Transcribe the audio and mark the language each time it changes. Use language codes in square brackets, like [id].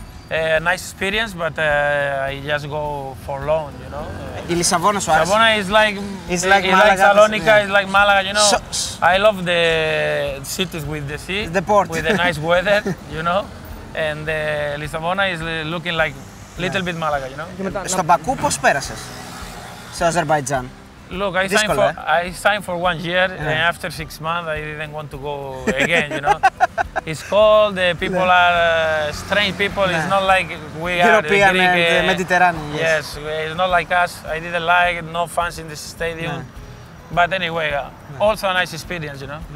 [en] Nice experience, but I just go for loan, you know. [el] Η Λισαβόνα σου άρεσε. [en] Λισαβόνα is like Salonika, is like Malaga, you know. I love the cities with the sea, the port. With the nice weather, you know. And Λισαβόνα is looking like little bit Malaga, you know. [el] Στο Μπακού πώς πέρασες, στο Αζερβαϊτζάν? [en] Look, I signed for 1 year, and after 6 months I didn't want to go again, you know. It's cold, people are strange people, it's not like we are European and Mediterranean. Yes, it's not like us. I didn't like no fans in this stadium. But anyway, also a nice experience, you know.